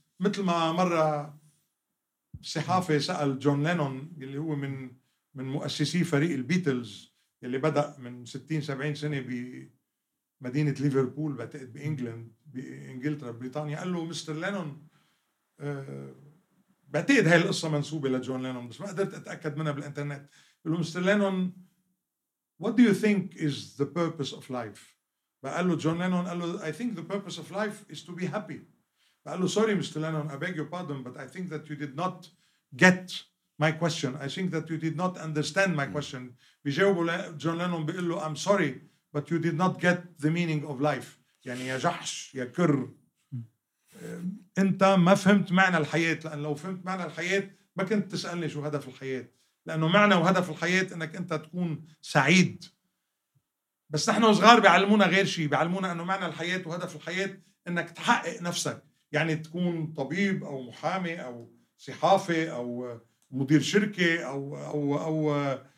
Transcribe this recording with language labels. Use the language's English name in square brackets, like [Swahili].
[Arabic] مثل ما مرة صحافي سأل جون لينون اللي هو من مؤسسي فريق البيتلز اللي بدأ من 60-70 سنة بمدينة ليفربول بعتقد بإنجلند بإنجلترا بريطانيا، قال له مستر لينون، بعتقد هاي القصة منسوبة لجون لينون بس ما قدرت أتأكد منها بالإنترنت، قلوا مستر لينون [English] what do you think is the purpose of life؟ [Arabic] بقال له جون لينون قال له [English] I think the purpose of life is to be happy. [Arabic] بقال له [English] sorry Mr. Lennon I beg your pardon but I think that you did not get my question. I think that you did not understand my question. [Arabic] بيجاوب جون لينون بيقول له [English] I'm sorry but you did not get the meaning of life. [Arabic] يعني يا جحش يا كر انت ما فهمت معنى الحياة لان لو فهمت معنى الحياة ما كنت تسألني شو هدف الحياة لانه معنى وهدف الحياة انك انت تكون سعيد بس نحن صغار بيعلمونا غير شيء بيعلمونا انه معنى الحياة وهدف الحياة انك تحقق نفسك يعني تكون طبيب او محامي او صحافي او مدير شركة او او او